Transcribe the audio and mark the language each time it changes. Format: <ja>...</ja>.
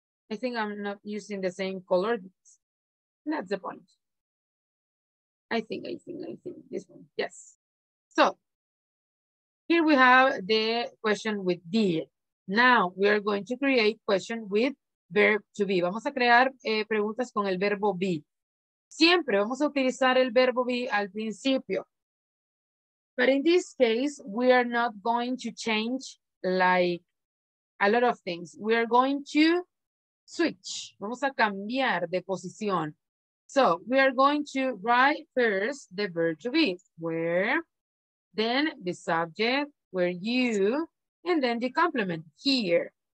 <en>I think I'm not using the same color. That's the point. I think this one. Yes. So here we have the question with did. Now we are going to create question with verb to be.</en> <es>Vamos a crear preguntas con el verbo be. Siempre vamos a utilizar el verbo be al principio.</es> <en>But in this case, we are not going to change like a lot of things. We are going to switch.</en> <es>Vamos a cambiar de posición.</es> <en>So we are going to write first the verb to be. Where, then the subject, where you, and then the complement here.</en>